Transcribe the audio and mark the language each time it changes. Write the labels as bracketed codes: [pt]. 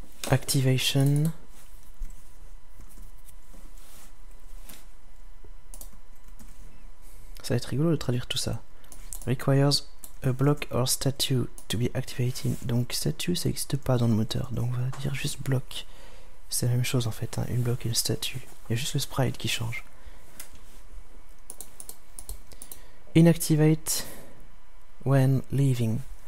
[en] Activation. [fr] Ça va être rigolo de traduire tout ça. [en] Requires a block or statue to be activated. [fr] Donc statue, ça n'existe pas dans le moteur. Donc on va dire juste block. C'est la même chose en fait, hein. Une block et une statue. Il y a juste le sprite qui change. [en] Inactivate when leaving.